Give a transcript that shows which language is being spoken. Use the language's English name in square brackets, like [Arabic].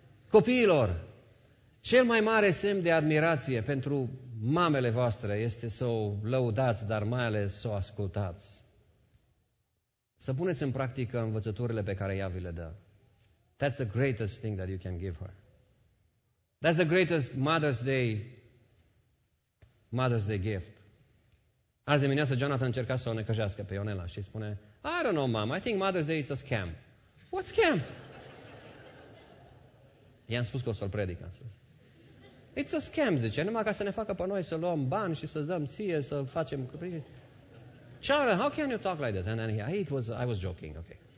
[Romanian] Copiilor, cel mai mare semn de admirație pentru mamele voastre este să o lăudați, dar mai ales să o ascultați. Să puneți în practică învățăturile pe care ea vi le dă. [English] That's the greatest thing that you can give her. That's the greatest Mother's Day gift. [Romanian] Azi dimineață Jonathan încerca să o necăjească pe Ionela și spune, [English] I don't know, Mom, I think Mother's Day is a scam. What scam? [Romanian] I-am spus că o să-l predic astăzi. [English] It's a scam, [Romanian] zice, numai ca să ne facă pe noi să luăm bani și să dăm sie, să facem... [English] Charlie, how can you talk like that? And then I was joking, okay.